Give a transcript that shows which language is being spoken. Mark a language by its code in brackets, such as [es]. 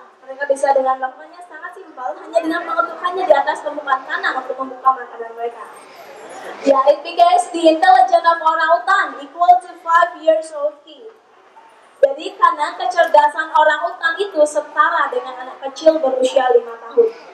[id] Mereka bisa dengan lakukannya sangat simpel, hanya dengan mengetuknya di atas permukaan tanah untuk membuka makanan mereka. [en] Yeah, it because the intelligence of orangutan equal to 5 years old kid. [id] Jadi karena kecerdasan orangutan itu setara dengan anak kecil berusia 5 tahun.